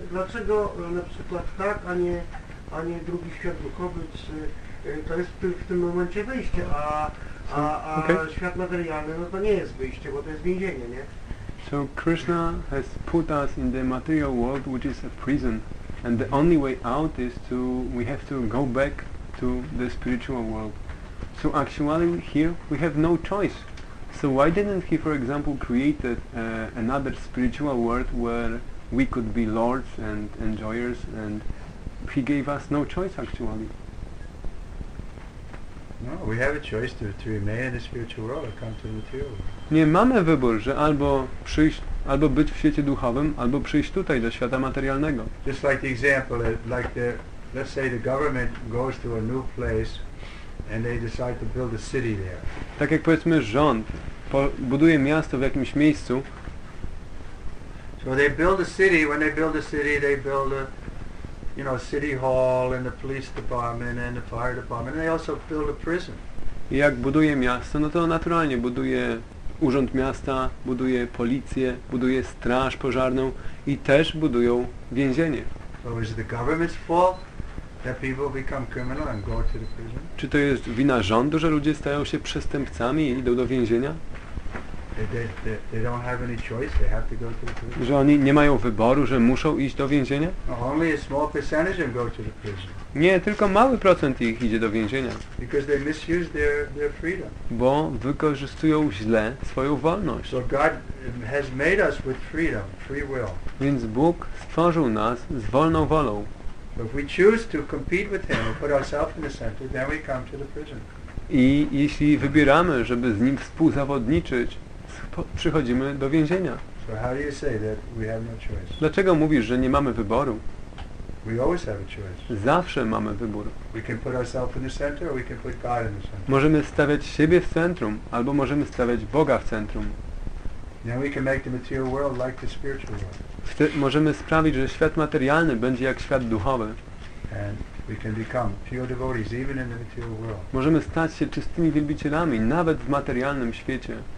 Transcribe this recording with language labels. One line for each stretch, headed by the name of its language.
Polish: Dlaczego na przykład tak, a nie drugi świat duchowy, czy to jest w tym momencie wyjście, a świat materialny, no to nie jest wyjście, bo to jest więzienie, nie?
English: So Krishna has put us in the material world, which is a prison, and the only way out is to, we have to go back to the spiritual world. So actually here we have no choice. So why didn't he, for example, created another spiritual world where we could be lords and enjoyers, and he gave us no choice actually? No, we have a choice to remain in the spiritual world or come to the material world.
Polish: Nie mamy wybór, że albo przyjść, albo być w świecie duchowym, albo przyjść tutaj do świata materialnego.
English: Just like the example, like the, let's say the government goes to a new place and they decide to build a city there.
Polish: Tak jak powiedzmy rząd buduje miasto w jakimś miejscu.
English: So they build a city, when they build a city, they build a, you know, city hall and the police department and the fire department, and they also build a prison.
Polish: I jak buduje miasto, no to naturalnie buduje urząd miasta, buduje policję, buduje straż pożarną i też budują więzienie.
English: So is the government's fault that people become criminal and go to the prison?
Polish: Czy to jest wina rządu, że ludzie stają się przestępcami i idą do więzienia?
English: They don't have any choice, they have to go to the prison.
Polish: Że oni nie mają wyboru, że muszą iść do więzienia?
English: Only a small percentage go to the prison.
Polish: Nie, tylko mały procent ich idzie do więzienia.
English: Because they misuse their freedom.
Polish: Bo wykorzystują źle swoją wolność.
English: So God has made us with freedom, free will.
Polish: Więc Bóg stworzył nas z wolną wolą.
English: If we choose to compete with him or put ourselves in the center, then we come to the prison.
Polish: I jeśli wybieramy, żeby z nim współzawodniczyć, przychodzimy do więzienia.
English: So how do you say that we have no choice?
Polish: Dlaczego mówisz, że nie mamy wyboru?
English: We always have a choice.
Polish: Zawsze mamy wybór.
English: We can put ourselves in the center or we can put God in the center.
Polish: Możemy stawiać siebie w centrum, albo możemy stawiać Boga w centrum.
English: Then we can make the material world like the spiritual world.
Polish: Możemy sprawić, że świat materialny będzie jak świat duchowy.
English: And we can become pure devotees even in the material world.
Polish: Możemy stać się czystymi wielbicielami nawet w materialnym świecie.